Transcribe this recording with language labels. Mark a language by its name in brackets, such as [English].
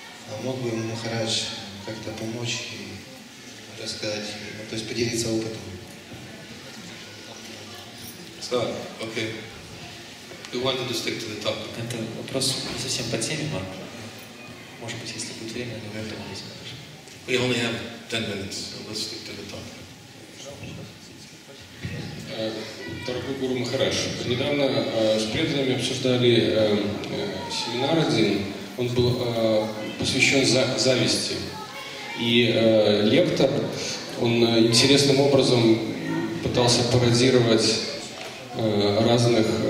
[Russian] А мог бы Махарадж как-то помочь и рассказать, то есть поделиться опытом? [English] Okay. We wanted to stick to the topic. [Russian] Это вопрос не совсем по теме, Марк. Может быть, если будет время, мы это увидим. [English] We only have 10 minutes, so let's stick to the topic. [Russian] Дорогой Гуру Махарадж, недавно с преданными обсуждали семинар один. Он был посвящен зависти. И лектор, он интересным образом пытался пародировать разных